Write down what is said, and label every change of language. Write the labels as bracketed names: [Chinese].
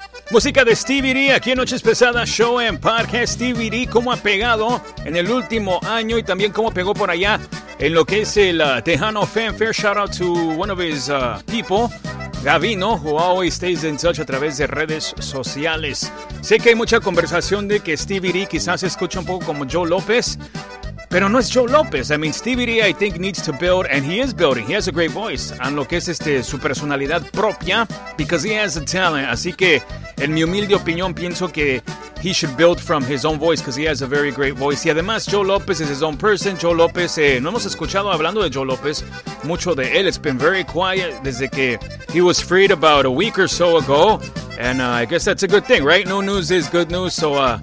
[Spanish] Música de Stevie D aquí en Noches Pesadas Show en Parque. Stevie D, cómo ha pegado en el último año y también cómo pegó por allá en lo que es el Tejano Fan Fair. [English] Shout out to one of his people, Gavino, who always stays in touch [Spanish] a través de redes sociales. Sé que hay mucha conversación de que Stevie D quizás se escucha un poco como Joe López, pero no es Joe López. [English] I mean, Stevie D, I think, needs to build, and he is building. He has a great voice on [Spanish] lo que es su personalidad propia, [English] because he has a talent. [Spanish] Así que, en mi humilde opinión, pienso que [English] he should build from his own voice, because he has a very great voice. [Spanish] Y además, [English] Joe López is his own person. [Spanish] Joe López, no hemos escuchado, hablando de Joe López, mucho de él. [English] It's been very quiet [Spanish] desde que [English] he was freed about a week or so ago. And I guess that's a good thing, right? No news is good news, so